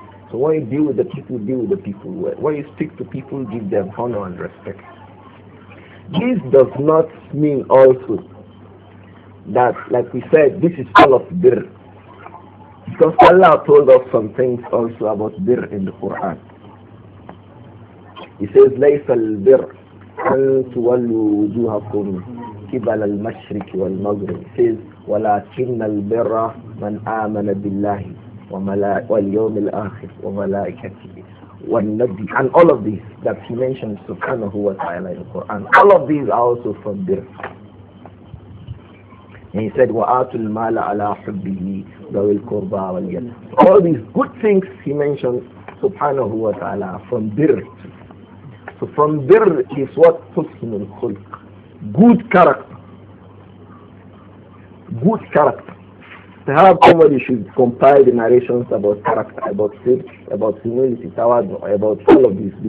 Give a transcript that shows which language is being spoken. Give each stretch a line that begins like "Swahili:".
English: So when you deal with the people, deal with the people well. When you speak to people, give them honor and respect. This does not mean also that, like we said, this is all of birr. Because Allah told us some things also about birr in the Quran. He says,
Arabic: لَيْسَ الْبِرْءُ أَنْ تُوَلُّوا وُجُوهَكُمْ كِبَلَ الْمَشْرِكِ وَالْمَغْرِبِ. He says, وَلَكِنَّ الْبِرَّ مَنْ آمَنَ بِاللَّهِ وَالْيَوْمِ الْآخِرِ وَمَلَائِكَتِهِ وَالنَّبِيِّ.
English: And all of these that he mentions
Arabic: subhanahu wa ta'ala
English: in the Quran, all of these are also from birr. And he said,
Arabic: وَآتُوا الْمَالَ عَلَىٰ حُبِّهِ ذَوِي الْقُرْبَىٰ وَالْيَتَامَىٰ.
English: All these good things he mentioned
Arabic: subhanahu wa ta'ala
English: from birr. So from birr is what husnul khulq, good character. Good character. Perhaps somebody should compile the narrations about character, about faith, about humility, tawadu, about all of this.